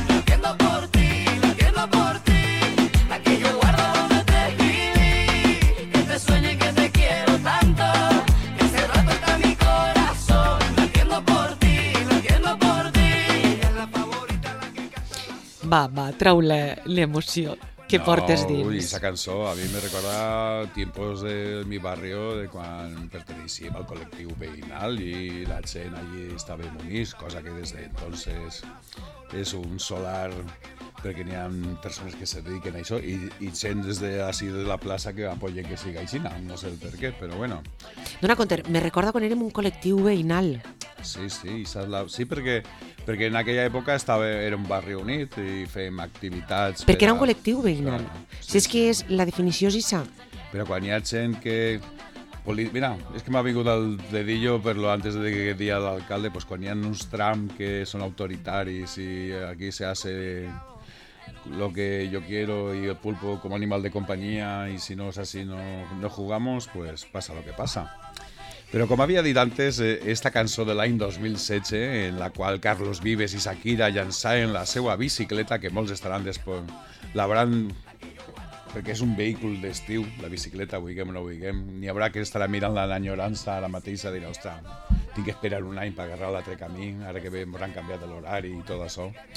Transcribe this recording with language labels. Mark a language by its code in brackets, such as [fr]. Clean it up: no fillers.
[es] Latiendo por ti, latiendo por ti. La que yo guardo donde te escribí. Que te sueño y que te quiero tanto. Que hace rato está mi corazón. Latiendo por ti, latiendo por ti. Es la favorita la que canta [ca] la. Va, trau la emoción. Que no, portes dins. Ui, esa cançó a mi me recorda [es] tiempos del mi barrio, [ca] de quan pertenecíem al col·lectiu veïnal i la gent allí estava munís, cosa que des d'entonces és un solar perquè n'hi ha persones que se dediquen a això i gent des d'ací de la plaça que apoyen que siga així, no sé el per què, però bueno. Dona, conte, me recorda quan érem un col·lectiu veïnal. Sí, sí, sí, perquè en aquella època estava, era un barri unit i fèiem activitats. Perquè era un col·lectiu veïnal. Clar, sí, si és sí. Que és la definició és ixa. Però quan hi ha gent que... Mira, és que m'ha vingut el dedillo per lo antes de que dia l'alcalde, pues quan hi ha uns tram que són autoritaris i [es] aquí se hace lo que yo quiero y el pulpo como animal de compañía y si no es así no jugamos, [ca] pues pasa lo que pasa. Però com havia dit antes, esta cançó de l'any 2007, en la qual Carlos Vives i Shakira llançaven la seva bicicleta, que molts estaran després, l'hauran, perquè és un vehicle d'estiu, la bicicleta, vulguem o no vulguem, n'hi haurà que estarà mirant l'enyorança ara mateix i dirà, ostres, tinc que esperar un any per agarrar l'altre camí, ara que m'hauran canviat l'horari i tot això.